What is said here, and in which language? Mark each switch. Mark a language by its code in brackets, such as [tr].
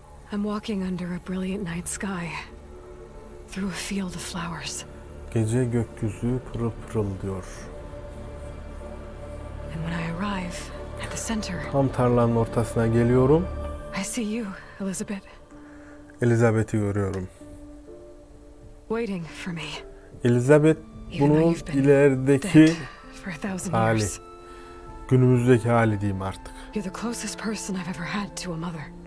[en] I'm walking under a brilliant night sky through a field of flowers. [tr] Gece gökyüzü pırıl pırıl diyor. [en] And when I arrive at the center, [tr] tam tarlanın ortasına geliyorum. [en] I see you, Elizabeth. [tr] Elizabeth'i görüyorum. [en] Waiting for me. [tr] Elizabeth bunun ilerideki hali. Günümüzdeki hali diyeyim artık. [en] You're the closest person I've ever had to a mother.